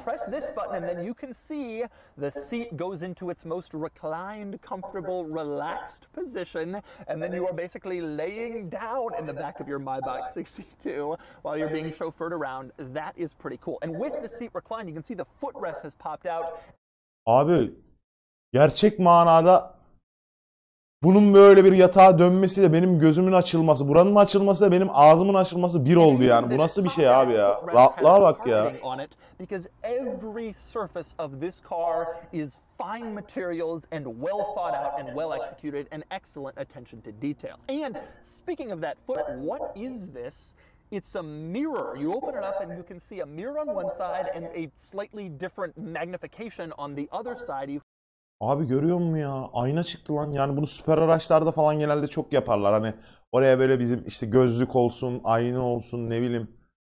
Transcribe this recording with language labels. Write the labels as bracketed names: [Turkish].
[English] Press this button and then you can see the seat goes into its most reclined, comfortable, relaxed position and then you are basically laying down in the back of your Maybach 62 while you're being chauffeured around. That is pretty cool. And with the seat reclined, you can see the footrest has popped out. [Turkish] Abi, gerçek manada bunun böyle bir yatağa dönmesi de benim gözümün açılması, buranın açılması da benim ağzımın açılması bir oldu yani. Bu nasıl bir şey abi ya? Rahatlığa bak ya. [English] Because every surface of this car is fine materials and well thought out and well executed and excellent attention to detail. And speaking of that foot, what is this? It's a mirror. You open it up and you can see a mirror on one side and a slightly different magnification on the other side. [Turkish] Abi görüyor musun ya? Ayna çıktı lan. Yani bunu süper araçlarda falan genelde çok yaparlar. Hani oraya böyle bizim işte gözlük olsun, ayna olsun ne bileyim.